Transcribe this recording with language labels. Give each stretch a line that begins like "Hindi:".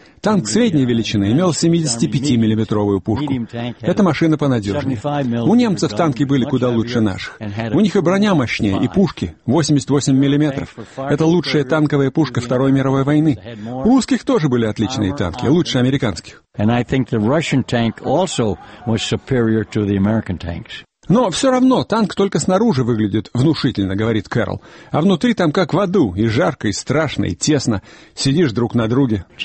Russian: Танк средней величины имел 75-миллиметровую пушку. Эта машина понадежнее. У немцев танки были куда лучше наших. У них и броня мощнее, и пушки 88 миллиметров. Это лучшая танковая пушка Второй мировой войны. У русских тоже были отличные танки, лучше американских.
English: And I think the Russian tank also was superior to the American tanks.
Russian: Но все равно танк только снаружи выглядит внушительно, говорит Кэрол. А внутри там как в аду, и жарко, и страшно, и тесно. Сидишь друг на друге.